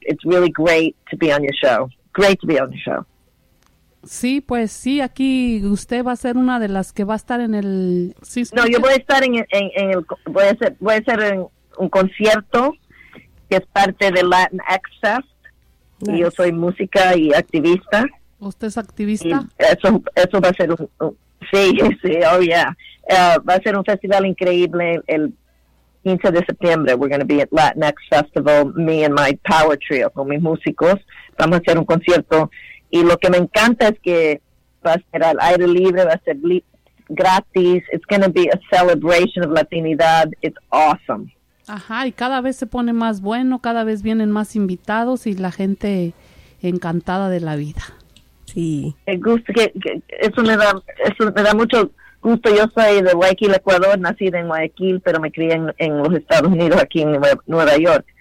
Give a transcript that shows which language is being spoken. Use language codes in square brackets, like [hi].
[en] It's really great to be on your show. Great to be on the show. [es] Sí, pues sí, aquí usted va a ser una de las que va a estar en el... Sí, no, yo voy a estar en el... Voy a ser en un concierto que es parte de Latin Access. [en] Nice. [es] Y yo soy música y activista. ¿Usted es activista? Eso va a ser un... Sí, oh yeah. Va a ser un festival increíble el 15 de septiembre. [en] We're going to be at Latinx Festival, me and my power trio, [es] con mis músicos. Vamos a hacer un concierto. Y lo que me encanta es que va a ser al aire libre, va a ser gratis. [en] It's going to be a celebration of Latinidad. It's awesome. [es] Ajá, y cada vez se pone más bueno, cada vez vienen más invitados y la gente encantada de la vida. Sí. Eso me da mucho gusto. Yo soy de Guayaquil, Ecuador, nacida en Guayaquil, pero me crié en los Estados Unidos, aquí en Nueva York.